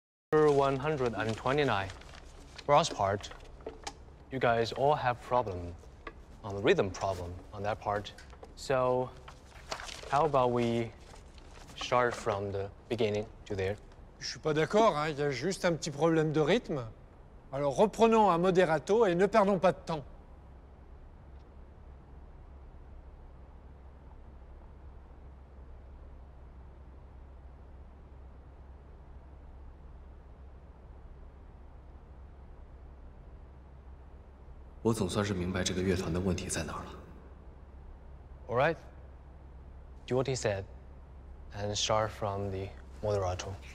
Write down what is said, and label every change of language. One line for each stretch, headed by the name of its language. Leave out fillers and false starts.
English: 129. First part, you guys all have problem on the rhythm problem on that part. So, how about we start from the beginning to there?
French: Je suis pas d'accord. Il y a juste un petit problème de rythme. Alors reprenons à moderato et ne perdons pas de temps.
Chinese: 我总算是明白这个乐团的问题在哪儿了。
English: All right, do what he said, and start from the moderato.